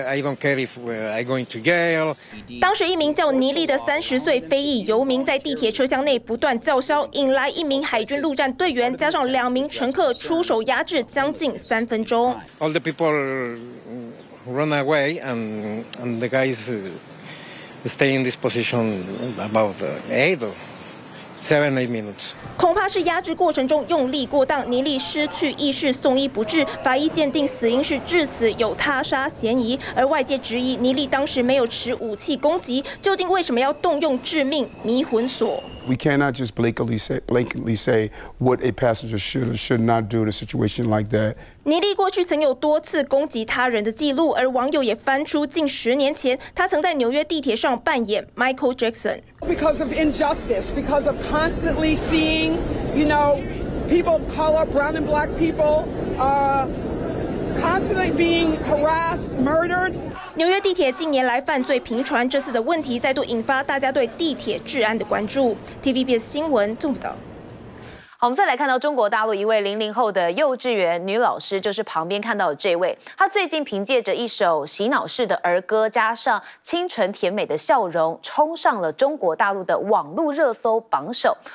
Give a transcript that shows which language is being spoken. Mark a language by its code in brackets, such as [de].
[en] I don't care if I going to jail. [zh] 当时一名叫尼利的30岁非裔游民在地铁车厢内不断叫嚣，引来一名海军陆战队员加上两名乘客出手压制，将近3分钟。 [en] All the people run away and the guys stay in this position about 7-8 minutes。 [zh] 恐怕是压制过程中用力过当，尼利失去意识送医不治，法医鉴定死因是致死，有他杀嫌疑。而外界质疑尼利当时没有持武器攻击，究竟为什么要动用致命迷魂锁？ [en] We cannot just blatantly say what a passenger should or should not do in a situation like that. [zh] 尼利过去曾有多次攻击他人的记录，而网友也翻出近10年前他曾在纽约地铁上扮演 Michael Jackson. [en] Because of injustice, because of constantly seeing, you know, people of color, brown and black people, constantly being harassed, murdered. [zh] 纽约地铁近年来犯罪频传，这次的问题再度引发大家对地铁治安的关注。 TVBS 新闻综合报道。好，我们再来看到中国大陆一位00后的幼稚园女老师，就是旁边看到的这位。她最近凭借着一首洗脑式的儿歌，加上清纯甜美的笑容，冲上了中国大陆的网络热搜榜首。